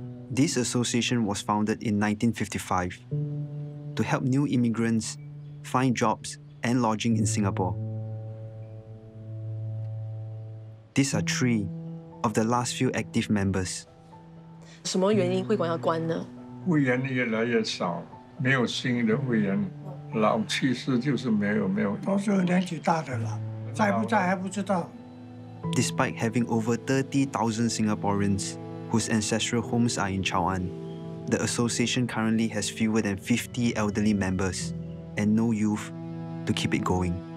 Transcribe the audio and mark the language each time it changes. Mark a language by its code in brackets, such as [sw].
[en] This association was founded in 1955 to help new immigrants find jobs and lodging in Singapore. These are three of the last few active members. [zh] 什么原因会馆要关呢？会员越来越少，没有新的会员，老气势就是没有。都是年纪大的了，在不在还不知道。 [en] Despite having over 30,000 Singaporeans whose ancestral homes are in Chao'an, the association currently has fewer than 50 elderly members and no youth to keep it going.